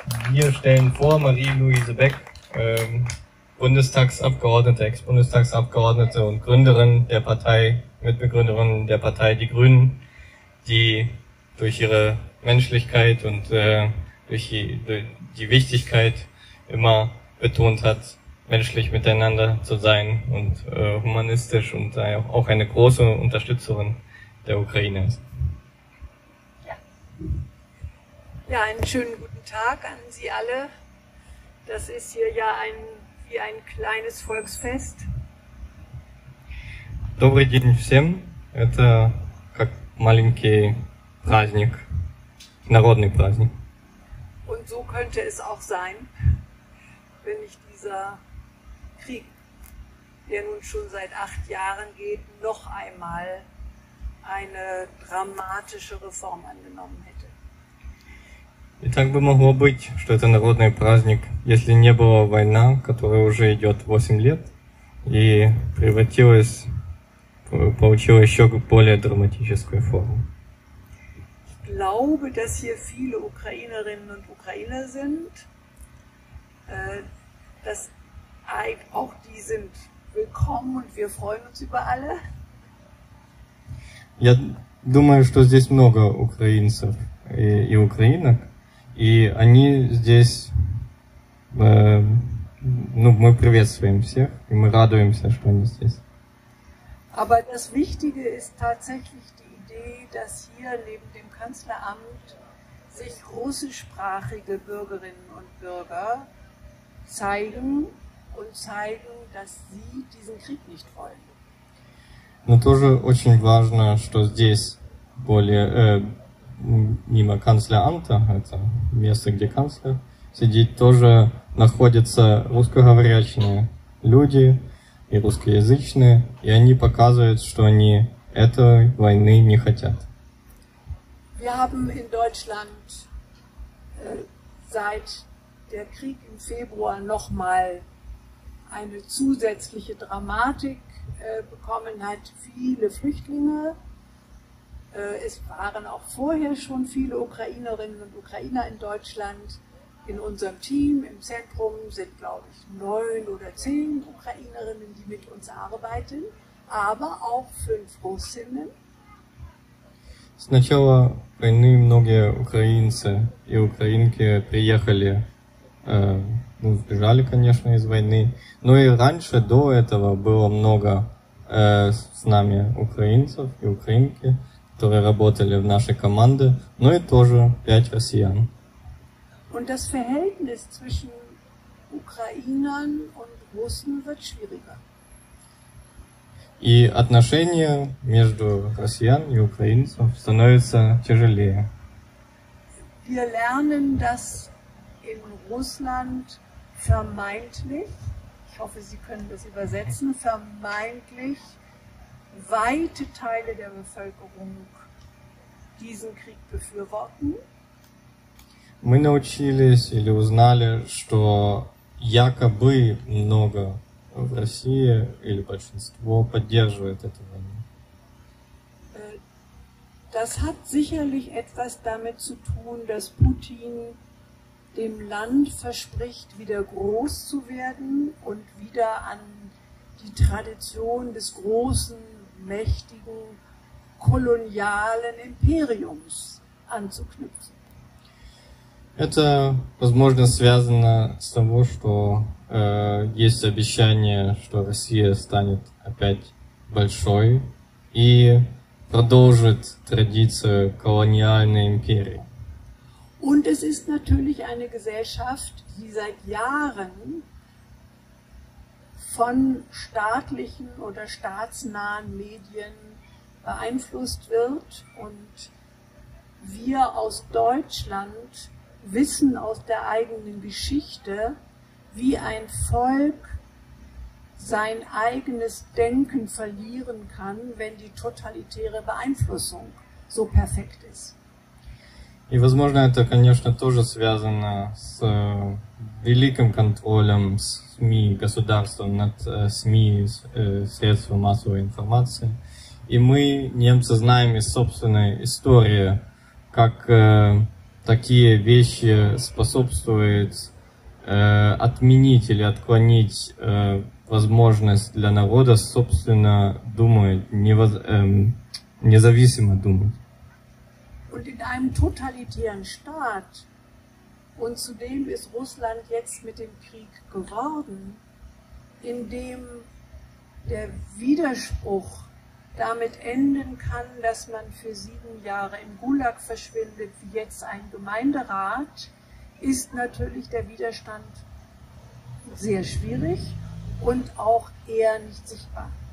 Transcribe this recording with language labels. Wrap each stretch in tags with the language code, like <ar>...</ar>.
<de>Wir stellen vor Maria Luisa Beck, Bundestagsabgeordnete, Ex-Bundestagsabgeordnete und Gründerin der Partei, Mitbegründerin der Partei Die Grünen, die durch ihre Menschlichkeit und durch die Wichtigkeit immer betont hat, menschlich miteinander zu sein und humanistisch und auch eine große Unterstützerin der Ukraine ist. Ja, einen schönen guten Tag an Sie alle. Das ist hier ja wie ein kleines Volksfest.</de> <ru>Добрый день всем. Это как маленький праздник, народный праздник.</ru> <de>Und so könnte es auch sein, wenn nicht dieser Krieg, der nun schon seit 8 Jahren geht, noch einmal eine dramatische Reform angenommen hätte.</de> <ru>И так бы могло быть, что это народный праздник, если не была война, которая уже идет 8 лет, и получила еще более драматическую форму.</ru> <de>Ich glaube, dass hier viele Ukrainerinnen und Ukrainer sind, dass auch die sind willkommen und wir freuen uns über alle.</de> <ru>Я думаю, что здесь много украинцев и украинок. И они здесь, мы приветствуем всех, и мы радуемся, что они здесь.</ru> <de>Aber das Wichtige ist tatsächlich die Idee, dass hier neben dem Kanzleramt sich russischsprachige Bürgerinnen und Bürger zeigen, dass sie diesen Krieg nicht wollen.</de> <ru>Но тоже очень важно, что здесь более мимо канцлеранта, это место, где канцлер сидит, тоже находятся русскоговорящие люди и русскоязычные, и они показывают, что они этой войны не хотят. Мы в</ru> <de>Deutschland seit der Krieg im Februar noch mal eine zusätzliche Dramatik bekommen, hat viele Flüchtlinge. Es waren auch vorher schon viele Ukrainerinnen und Ukrainer in Deutschland. In unserem Team im Zentrum sind, glaube ich, 9 oder 10 Ukrainerinnen, die mit uns arbeiten, aber auch 5 Russinnen.</de> <ru>С начала войны многие украинцы и украинки приехали, сбежали, конечно, из войны. Но и раньше, до этого, было много с нами украинцев и украинки, которые работали в нашей команде, но и тоже 5 россиян.</ru> <de>Und das Verhältnis zwischen Ukrainern und Russen wird schwieriger.</de> <ru>И отношения между россиян и украинцев становятся тяжелее.</ru> <de>Wir lernen, dass in Russland vermeintlich, ich hoffe, Sie können das übersetzen, vermeintlich weite Teile der Bevölkerung diesen Krieg befürworten.</de> <ru>Мы научились или узнали, что якобы много в России или большинство поддерживает эту войну.</ru> <de>Das hat sicherlich etwas damit zu tun, dass Putin dem Land verspricht, wieder groß zu werden und wieder an die Tradition des großen, mächtigen kolonialen Imperiums anzuknüpfen.</de> <ru>Это, возможно, связано с того, что есть обещание, что Россия станет опять большой и продолжит традицию колониальной империи.</ru> <de>Und es ist natürlich eine Gesellschaft, die seit Jahren von staatlichen oder staatsnahen Medien beeinflusst wird und wir aus Deutschland wissen aus der eigenen Geschichte, wie ein Volk sein eigenes Denken verlieren kann, wenn die totalitäre Beeinflussung so perfekt ist.</de> <ru>И, возможно, это, конечно, тоже связано с великим контролем СМИ, государством над СМИ, средством массовой информации. И мы, немцы, знаем из собственной истории, как такие вещи способствуют отменить или отклонить возможность для народа собственно думать, независимо думать. И в одном тоталитарном штате, и к тому же Россия сейчас с этим войной,</ru> <de>in dem der Widerspruch damit enden kann, dass man für 7 Jahre im Gulag verschwindet, wie jetzt ein Gemeinderat, ist natürlich der Widerstand sehr schwierig und auch eher nicht sichtbar.</de>